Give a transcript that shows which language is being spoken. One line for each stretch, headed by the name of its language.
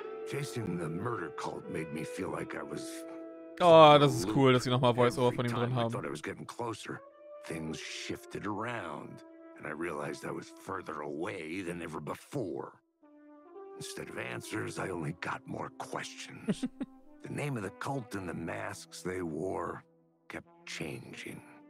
English: Chasing the murder cult made me feel like I was.
German: Oh, das ist cool, dass sie nochmal Voice-Over von ihm drin haben.
English: I thought I was getting closer. Things shifted around, and I realized I was further away than ever before. Instead of answers, I only got more questions. The name of the cult and the masks they wore kept changing.